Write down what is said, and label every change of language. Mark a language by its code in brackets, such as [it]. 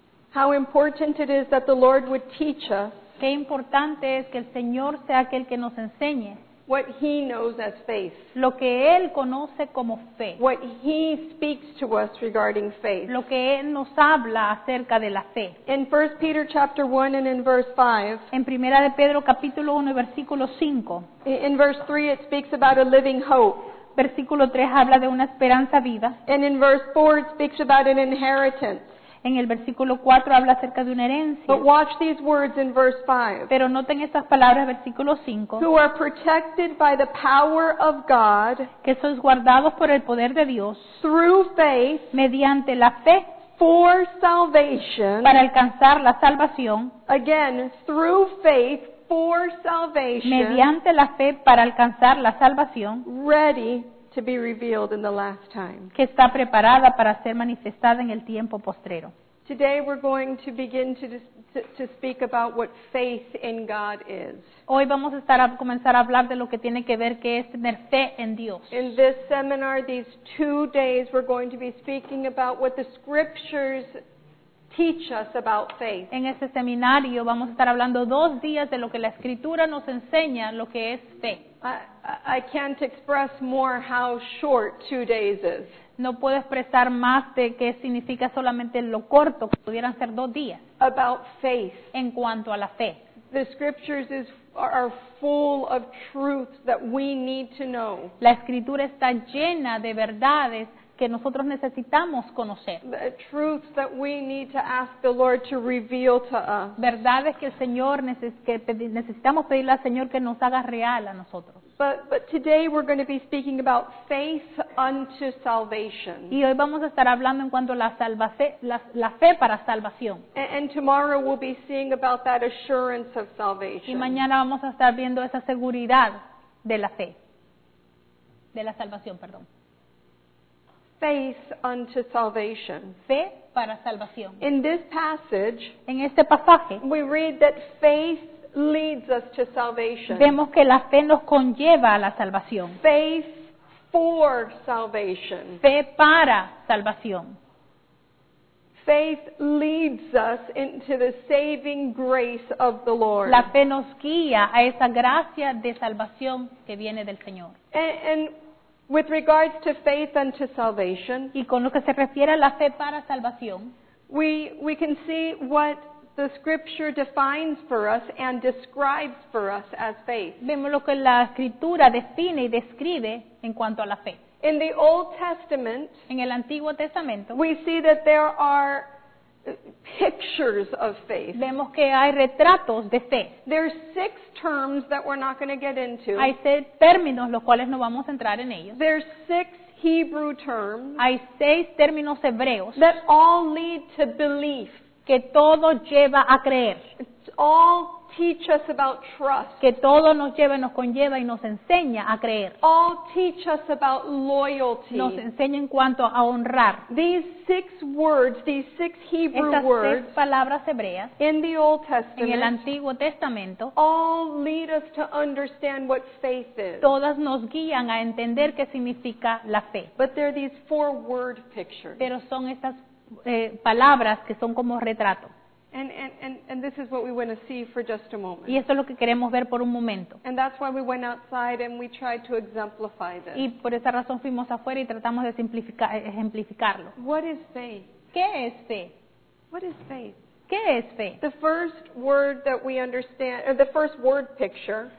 [en] How important it is that the Lord would teach us. [es] Qué importante es que el Señor sea aquel que nos enseñe. [en] What he knows as faith. [es] Lo que él conoce como fe. [en] What he speaks to us regarding faith. [es] Lo que él nos habla acerca de la fe. [en] In 1 Peter chapter 1 and in verse 5. [es] En Primera de Pedro capítulo 1 versículo 5. [en] In verse 3 it speaks about a living hope. [es] Versículo 3 habla de una esperanza viva. [en] And in verse 4 it speaks about an inheritance. [es] En el versículo 4 habla acerca de una herencia. [en] But watch these words in verse 5. [es] Pero noten estas palabras, versículo 5. [en] Who are protected by the power of God. [es] Que sois guardados por el poder de Dios. [en] Through faith. [es] Mediante la fe. [en] For salvation. [es] Para alcanzar la salvación. [en] Again, through faith. For salvation. [es] Mediante la fe para alcanzar la salvación. [en] Ready. To be revealed in the last time. [es] Que está preparada para ser manifestada en el tiempo postrero. [en] Today we're going to begin to speak about what faith in God is. [es] Hoy vamos a comenzar a hablar de lo que tiene que ver que es tener fe en Dios. [en] In this seminar, these 2 days, we're going to be speaking about what the scriptures teach us about faith. [es] En este seminario vamos a estar hablando 2 días de lo que la escritura nos enseña lo que es fe. [en] I can't express more how short 2 days is. [es] No puedo expresar más de qué significa solamente lo corto que pudieran ser 2 días. [en] About faith. [es] En cuanto a la fe. [en] The scriptures are full of truths that we need to know. [es] La escritura está llena de verdades que nosotros necesitamos conocer. [en] The truths that we need to ask the Lord to reveal to us. [es] Verdades que el Señor necesitamos pedirle al Señor que nos haga real a nosotros. [en] But today we're going to be speaking about faith unto salvation. [es] Y hoy vamos a estar hablando en cuanto a la fe para salvación. [en] And tomorrow we'll be seeing about that assurance of salvation. [es] Y mañana vamos a estar viendo esa seguridad de la fe. De la salvación, perdón. [en] Faith unto salvation. [es] Fe para salvación. [en] In this passage, [es] en este pasaje, [en] we read that faith leads us to salvation. [es] Vemos que la fe nos conlleva a la salvación. [en] Faith for salvation. [es] Fe para salvación. [en] Faith leads us into the saving grace of the Lord. [es] La fe nos guía a esa gracia de salvación que viene del Señor. [en] And with regards to faith unto salvation, [es] y con lo que se refiere a la fe para salvación, [en] we can see what the scripture defines for us and describes for us as faith. [es] Vemos lo que la escritura define y describe en cuanto a la fe. [en] In the Old Testament, [es] en el Antiguo Testamento, [en] we see that there are pictures of faith. [es] Vemos que hay retratos de fe. [en] There are 6 terms that we're not going to get into. [es] Hay 6 términos los cuales no vamos a entrar en ellos. [en] There are 6 Hebrew terms. [es] Hay 6 términos hebreos. [en] That all lead to belief. [es] Que todo lleva a creer. [en] All teach us about trust. [es] Que todo nos lleva, nos conlleva y nos enseña a creer. [en] All teach us about loyalty. [es] Nos enseña en cuanto a honrar. [en] These 6 Hebrew words. [es] Estas 6 palabras hebreas. [en] In the Old Testament. [es] En el Antiguo Testamento. [en] All lead us to understand what faith is. [es] Todas nos guían a entender qué significa la fe. [en] But there are these 4 word pictures. [es] Pero son estas palabras que son como retrato. [en] And this is what we want to see for just a moment. [es] Y esto es lo que queremos ver por un momento. [en] And that's why we went outside and we tried to exemplify this. [es] Y por esa razón fuimos afuera y tratamos de ejemplificarlo. [en] What is faith? [es] ¿Qué es fe? [en] What is faith? [es] ¿Qué es fe? [en] The first word that we understand, or the first word picture.